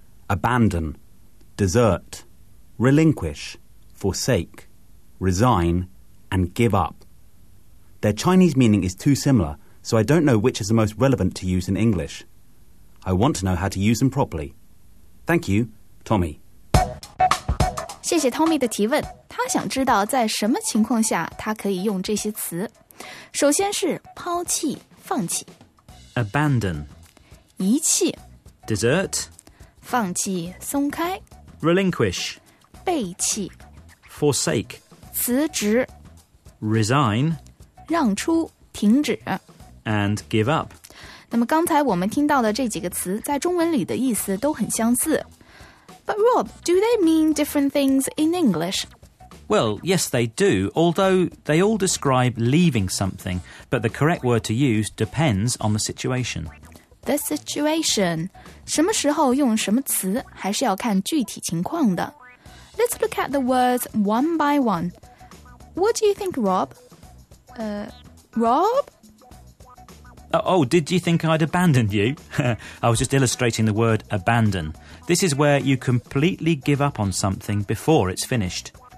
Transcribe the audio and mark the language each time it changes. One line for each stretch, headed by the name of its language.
English: Abandon, desert, relinquish, forsake, resign, and give up. Their Chinese meaning is too similar, so I don't know which is the most relevant to use in English. I want to know how to use them properly. Thank you, Tommy.
Chinese: 谢谢 Tommy 的提问，他想知道在什么情况下他可以用这些词。首先是抛弃、放弃
English: ，abandon，
Chinese: 遗弃
English: ；desert，
Chinese: 放弃、松开
English: ；relinquish，
Chinese: 背弃
English: ；forsake，
Chinese: 辞职
English: ；resign，
Chinese: 让出、停止
English: ；and give up。
Chinese: 那么刚才我们听到的这几个词，在中文里的意思都很相似。
English: But Rob, do they mean different things in English? Well, yes, they do, although they all describe leaving something, but the correct word to use depends on the situation. The situation.
Chinese: 什么时候用什么词还是要看具体情况的。
English: Let's look at the words one by one. What do you think, Rob? Rob? Oh, did you think I'd abandoned you? I was just illustrating the word abandon. This is where you completely give up on something before it's finished.